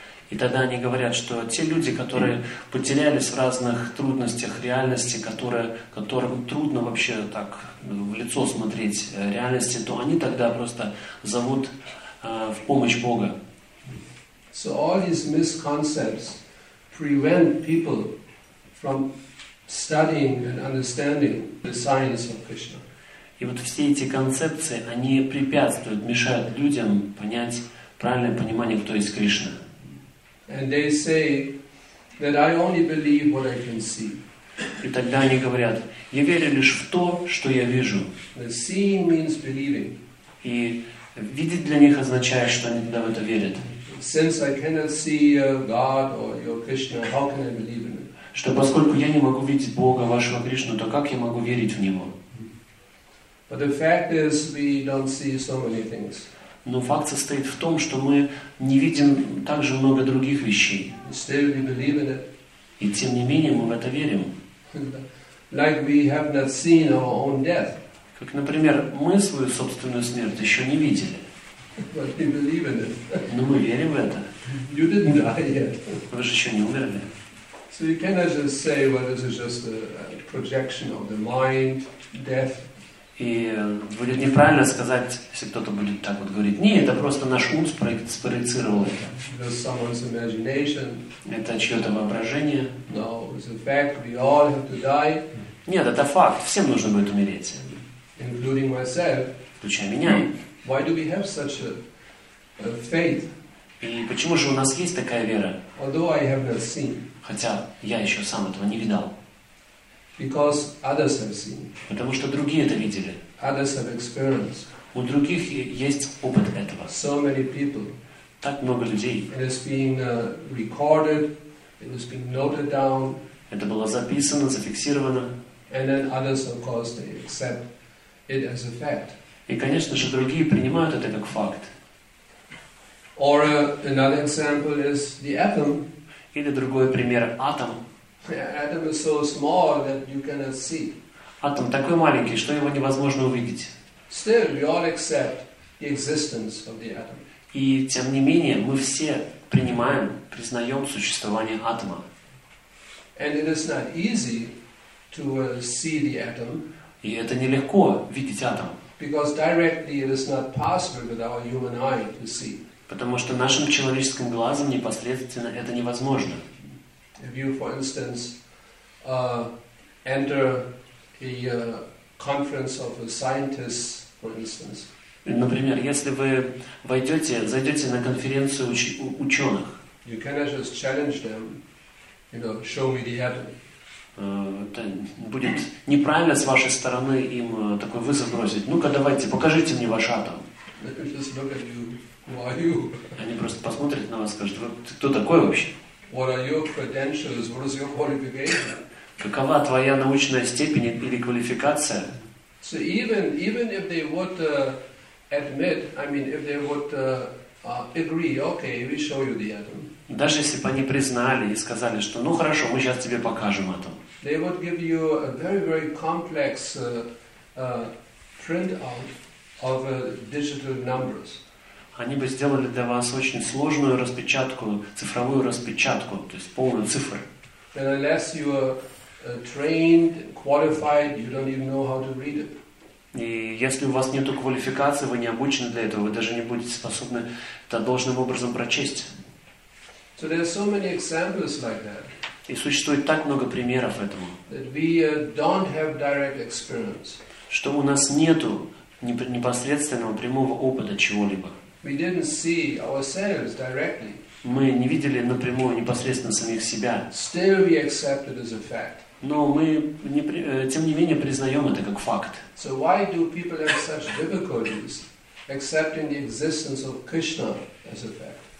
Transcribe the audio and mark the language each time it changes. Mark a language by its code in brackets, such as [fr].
[ru] И тогда они говорят, что те люди, которые потерялись в разных трудностях реальности, которым трудно вообще так в лицо смотреть реальности, то они тогда просто зовут в помощь Бога. [en] So all these misconceptions prevent people from studying and understanding the science of Krishna. [ru] И вот все эти концепции, они препятствуют, мешают людям понять правильное понимание, кто есть Кришна. [en] And they say that I only believe what I can see. [ru] И тогда они говорят: я верю лишь в то, что я вижу. [en] That seeing means believing. [ru] И видеть для них означает, что они в это верят. [en] Since I cannot see God or your Krishna, how can I believe in it? [ru] Что поскольку я не могу видеть Бога вашего Кришну, то как я могу верить в него? [en] But the fact is, we don't see so many things. [ru] Но факт состоит в том, что мы не видим так же много других вещей. [en] Still we believe in it. [ru] И тем не менее мы в это верим. [en] Like we have not seen our own death. [ru] Как, например, мы свою собственную смерть еще не видели. [en] But we believe in it. [ru] Но мы верим в это. [en] You didn't die yet. [ru] Вы же еще не умерли. [en] So you cannot just say, well, this is just a projection of the mind, death. [ru] И будет неправильно сказать, если кто-то будет так вот говорить: не, это просто наш ум спроецировал это. Это чье-то воображение. [en] No, it's a fact. We all have to die. [ru] Нет, это факт. Всем нужно будет умереть. Включая меня. [en] Why do we have such a faith? [ru] И почему же у нас есть такая вера? [en] Although I have not seen. [ru] Хотя я еще сам этого не видал. [en] Because others have seen. [ru] Потому что другие это видели. [en] Others have experienced. [ru] У других есть опыт этого. [en] So many people. [ru] Так много людей. [en] It has been recorded. It has been noted down. [ru] Это было записано, зафиксировано. [en] And then others, of course, they accept it as a fact. [ru] И, конечно же, другие принимают это как факт. [en] Or another example is the atom. [ru] Или другой пример — атом. [en] Atom is so small that you cannot see. [ru] Атом такой маленький, что его невозможно увидеть. [en] Still, we all accept the existence of the atom. [ru] И тем не менее мы все принимаем, признаем существование атома. [en] And it is not easy to see the atom. [ru] И это нелегко видеть атом. [en] Because directly it is not possible with our human eye to see. [ru] Потому что нашим человеческим глазом непосредственно это невозможно. [en] If you, for instance, enter a conference of scientists, for instance. [ru] Например, если вы зайдете на конференцию ученых. [en] You cannot just challenge them, you know, show me the atom. [ru] Это будет неправильно с вашей стороны им такой вызов бросить. Ну-ка, давайте, покажите мне ваш атом. Они просто посмотрят на вас и скажут, ты кто такой вообще? [en] What are your credentials? What is your qualification? [ru] Какова твоя научная степень или квалификация? [en] So even if they would admit, I mean, if they would agree, okay, we show you the atom. [ru] Даже если бы они признали и сказали, что, ну хорошо, мы сейчас тебе покажем атом. [en] They would give you a very very complex printout of digital numbers. [ru] Они бы сделали для вас очень сложную распечатку, цифровую распечатку, то есть полную цифр. [en] Unless you are trained, qualified, you don't even know how to read it. [ru] И если у вас нету квалификации, вы не обучены для этого, вы даже не будете способны это должным образом прочесть. [en] So there are so many examples like that. [ru] И существует так много примеров этому. [en] That we don't have direct experience. [ru] Что у нас нету непосредственного прямого опыта чего-либо. [en] We didn't see ourselves directly. [ru] Мы не видели напрямую непосредственно самих себя. [en] Still we accept it as a fact. [ru] Но мы тем не менее признаем это как факт. [en] So why do people have such difficulties accepting the existence of Krishna as a fact?